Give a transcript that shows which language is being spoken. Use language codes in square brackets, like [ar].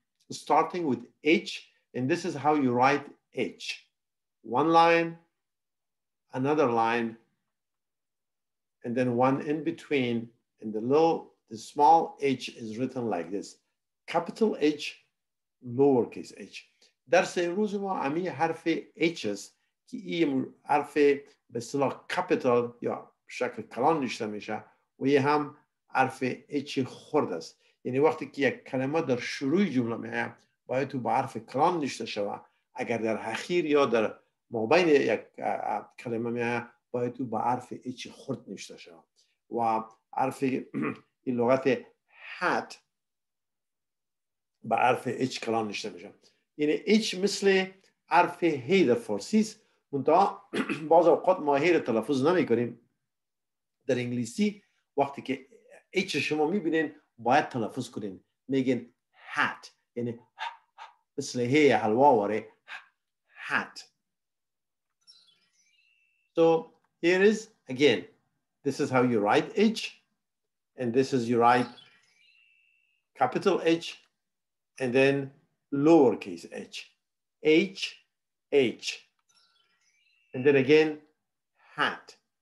[en] Starting with H, and this is how you write H. One line, another line, and then one in between, and the small H is written like this. Capital H, lowercase H. [fa] درس امروز ما همین حرف H است که این حرف به اصطلاح capital یا شکل کلان نشته میشه و یه هم حرف H خرد است. یعنی وقتی که یک کلمه در شروع جمله میاد باید تو به حرف کلان نشته شود، اگر در اخیر یا در مابین یک کلمه میاد باید تو به حرف اچ خرد نشته شود. و حرف این لغت هات به حرف اچ کلان نشته میشه. یعنی اچ مثل حرف هی در فارسی است، منتها بعض اوقات ما هی رو تلفظ نمی کنیم. در انگلیسی وقتی که اچ شما میبینین باید تلفظ کنین، میگین hat، یعنی مثل هی حلوا واره hat. [en] So here is again, this is how you write H and this is you write capital H and then lowercase H. H, H. And then again hat.